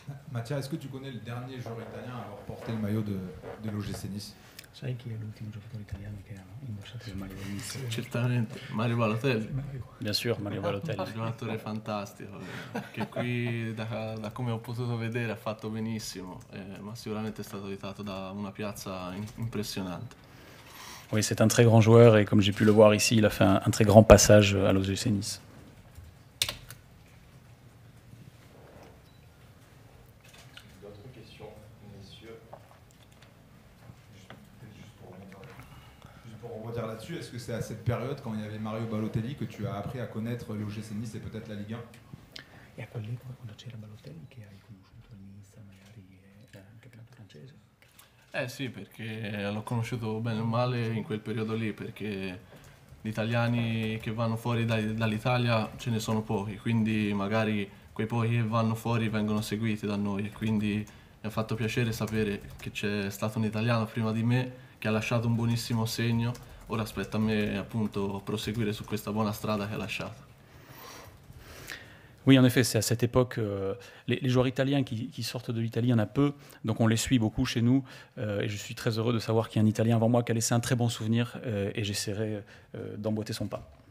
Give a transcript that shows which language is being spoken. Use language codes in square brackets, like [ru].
[fr] Mathia, est-ce que tu connais le dernier joueur italien à avoir porté le maillot de l'OGC Nice? [it] Sai chi è l'ultimo giocatore italiano che ha indossato il maglio di Nice? Certamente, Mario Balotelli. [fr] Bien sûr, Mario Balotelli. [it] Un giocatore fantastico, che qui, da come ho potuto vedere, ha fatto benissimo, ma sicuramente è stato aiutato da una piazza impressionante. [fr] Oui, c'est un très grand joueur, et comme j'ai pu le voir ici, il a fait un très grand passage à l'OGC Nice. Est-ce que c'est à cette période, quand il y avait Mario Balotelli, que tu as appris à connaître l'OGC Nice et peut-être la Ligue 1? Et à quelle époque, quand c'était Balotelli, que tu as connu Nice, peut-être le championnat français? [it] Eh, sì, perché l'ho conosciuto bene o male in quel periodo lì, perché gli italiani che vanno fuori dall'Italia ce ne sono pochi, quindi magari quei pochi che vanno fuori vengono seguiti da noi, quindi mi ha fatto piacere sapere che c'è stato un italiano prima di me che ha lasciato un buonissimo segno, ora aspetta a me appunto proseguire su questa buona strada che ha lasciato. [fr] Oui, en effet, c'est à cette époque, les joueurs italiens qui sortent de l'Italie, il y en a peu, donc on les suit beaucoup chez nous, et je suis très heureux de savoir qu'il y a un Italien avant moi qui a laissé un très bon souvenir, et j'essaierai d'emboîter son pas.